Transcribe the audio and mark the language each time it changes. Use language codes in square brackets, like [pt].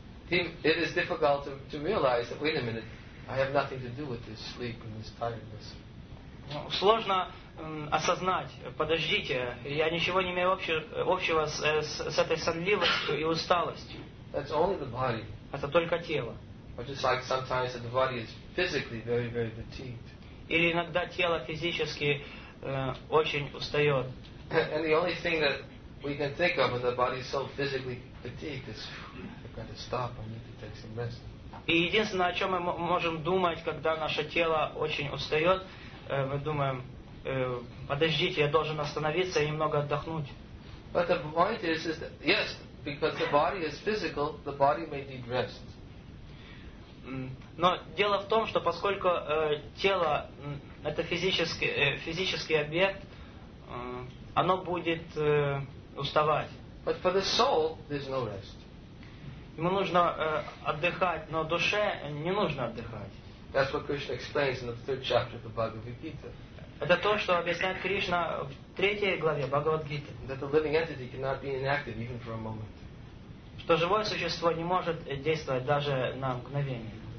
[en] It is difficult to realize that, wait a minute, I have nothing to do with this sleep and this tiredness. [ru] Сложно осознать, подождите, я ничего не имею общего с этой сонливостью и усталостью. [en] That's only the body. [ru] Это только тело. [en] Or just like sometimes the body is physically very, very fatigued. [ru] Или иногда тело физически очень устает. [en] And the only thing that we can think of when the body is so physically fatigued is, I've got to stop, I need to take some rest. [ru] И единственное, о чем мы можем думать, когда наше тело очень устает, мы думаем, подождите, я должен остановиться и немного отдохнуть. [en] But the point is that, yes, because the body is physical, the body may need rest. [ru] Но дело в том, что поскольку тело это физический объект, оно будет уставать. [en] But for the soul, there's no rest. [ru] Ему нужно отдыхать, но душе не нужно отдыхать. [en] That's what Krishna explains in the third chapter of the Bhagavad Gita. [ru] Это то, что объясняет Кришна в третьей главе Бхагавад Гиты. [en] That the living entity cannot be inactive even for a moment. [ru] Что живое существо не может действовать даже на мгновение.